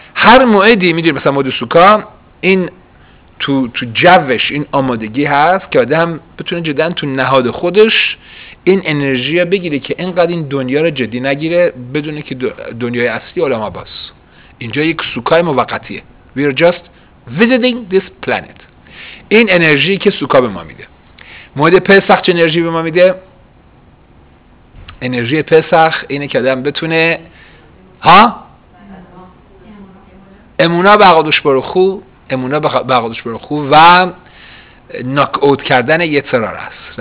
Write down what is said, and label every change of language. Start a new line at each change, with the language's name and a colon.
Persian: هر موعدی میدونیم مثلا موعد سوکا، این تو جوش این آمادگی هست که آدم بتونه جدا تو نهاد خودش این انرژی رو بگیره که اینقدر این دنیا رو جدی نگیره، بدونه که دنیای اصلی عالم عباس. اینجا یک سوکای موقتیه.
English: We are just visiting this planet.
Persian: این انرژی که سوکا به ما میده. موعد پسخ چه انرژی به ما میده؟ انرژی پسخ اینه که آدم بتونه امونا به عقادوش برو خوب، امونا به عقادوش برو خوب و ناک اوت کردن یتسرار است.